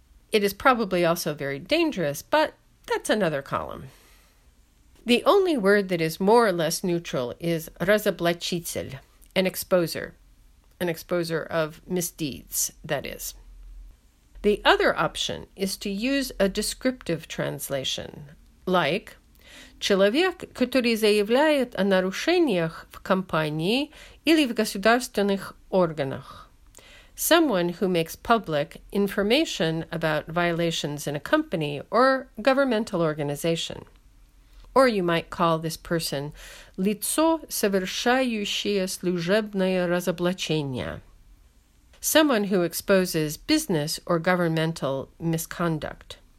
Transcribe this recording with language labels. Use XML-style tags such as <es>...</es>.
<en>It is probably also very dangerous, but that's another column. The only word that is more or less neutral is разоблачитель. An exposer of misdeeds, that is. The other option is to use a descriptive translation, Like,</en> <ru>человек, который заявляет о нарушениях в компании или в государственных органах.</ru> <en>Someone who makes public information about violations in a company or governmental organization. Or you might call this person</en> <ru>лицо, совершающее служебное разоблачение.</ru> <en>Someone who exposes business or governmental misconduct.</en>